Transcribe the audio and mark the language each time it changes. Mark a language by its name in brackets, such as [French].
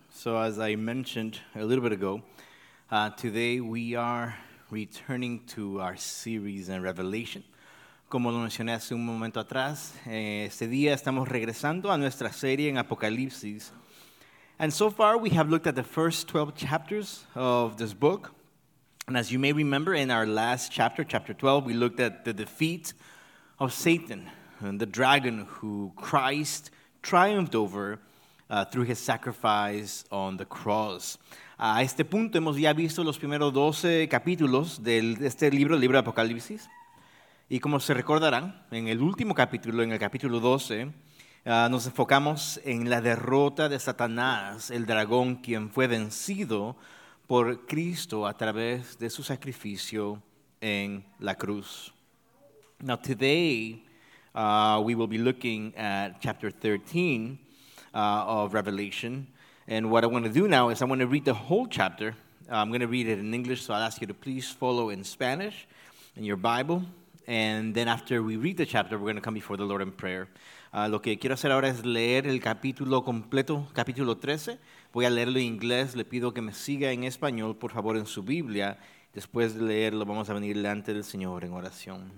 [English] So as I mentioned a little bit ago, today we are returning to our series in Revelation. [Spanish] Como lo mencioné hace un momento atrás, este día estamos regresando a nuestra serie en Apocalipsis. [English] And so far we have looked at the first 12 chapters of this book. And as you may remember, in our last chapter, chapter 12, we looked at the defeat of Satan and the dragon who Christ triumphed over through his sacrifice on the cross. [Spanish] A este punto hemos ya visto los primeros 12 capítulos de este libro, el libro de Apocalipsis. Y como se recordarán, en el último capítulo, en el capítulo 12, nos enfocamos en la derrota de Satanás, el dragón, quien fue vencido por Cristo a través de su sacrificio en la cruz. [English] Now today, we will be looking at chapter 13 of Revelation. And what I want to do now is I want to read the whole chapter. I'm going to read it in English, so I'll ask you to please follow in Spanish in your Bible. And then after we read the chapter, we're going to come before the Lord in prayer. [Spanish] Lo que quiero hacer ahora es leer el capítulo completo, capítulo 13. Voy a leerlo en inglés. Le pido que me siga en español, por favor, en su Biblia. Después de leerlo, vamos a venir delante del Señor en oración.